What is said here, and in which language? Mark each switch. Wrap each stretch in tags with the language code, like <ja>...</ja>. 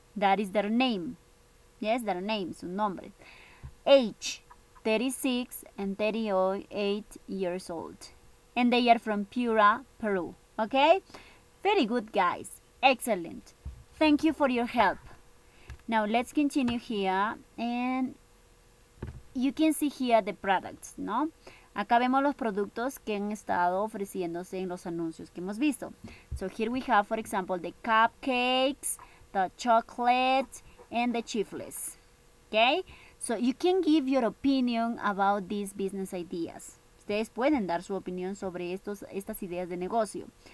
<en>That is their name. Yes, their name,</en> <es>su nombre.</es> <en>Age 36 and 38 years old, and they are from Piura, Peru. Okay, very good, guys. Excellent. Thank you for your help. Now let's continue here, and you can see here the products, no?</en> <es>Acá vemos los productos que han estado ofreciéndose en los anuncios que hemos visto.</es> <en>So here we have, for example, the cupcakes, the chocolate, and the chifles. Okay? So you can give your opinion about these business ideas.</en> <es>Ustedes pueden dar su opinión sobre estas ideas de negocio.</es>